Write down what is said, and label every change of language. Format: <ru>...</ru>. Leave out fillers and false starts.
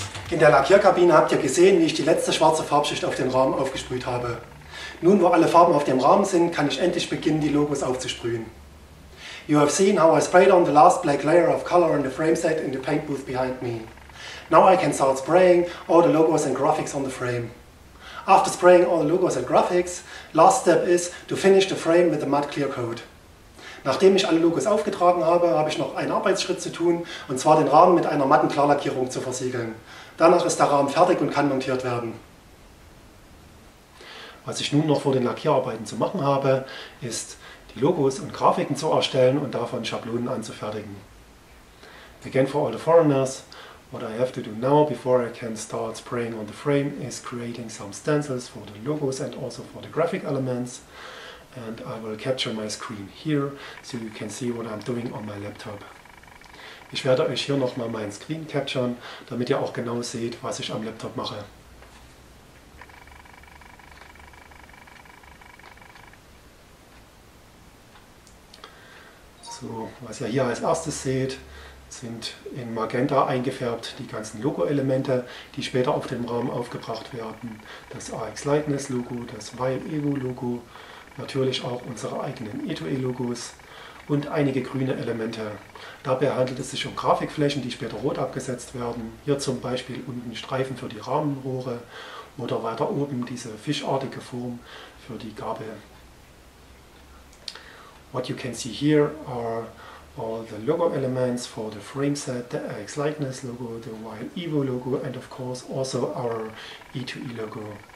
<de>In der Lackierkabine habt ihr gesehen, wie ich die letzte schwarze Farbschicht auf den Rahmen aufgesprüht habe. Nun, wo alle Farben auf dem Rahmen sind, kann ich endlich beginnen, die Logos aufzusprühen.</de> <en>You have seen how I sprayed on the last black layer of color on the frameset in the paint booth behind me. Now I can start spraying all the logos and graphics on the frame. After spraying all the logos and graphics, last step is to finish the frame with a matte clear coat.</en> <de>Nachdem ich alle Logos aufgetragen habe, habe ich noch einen Arbeitsschritt zu tun, und zwar den Rahmen mit einer matten Klarlackierung zu versiegeln. Danach ist der Rahmen fertig und kann montiert werden. Was ich nun noch vor den Lackierarbeiten zu machen habe, ist die Logos und Grafiken zu erstellen und davon Schablonen anzufertigen.</de> <en>Again for all the foreigners, what I have to do now before I can start spraying on the frame is creating some stencils for the logos and also for the graphic elements. And I will capture my screen here, so you can see what I'm doing on my laptop.</en> <de>Ich werde euch hier nochmal meinen Screen capturen, damit ihr auch genau seht, was ich am Laptop mache. So, was ihr hier als erstes seht, sind in Magenta eingefärbt die ganzen Logo-Elemente, die später auf dem Rahmen aufgebracht werden. Das AX-Leitnis-Logo, das Weil-Evo-Logo, natürlich auch unsere eigenen E2E-Logos und einige grüne Elemente. Dabei handelt es sich um Grafikflächen, die später rot abgesetzt werden. Hier zum Beispiel unten Streifen für die Rahmenrohre oder weiter oben diese fischartige Form für die Gabel.</de> <en>What you can see here are all the logo elements for the frameset, the AX-Leitnis logo, the Weil Evo logo and of course also our E2E logo.</en>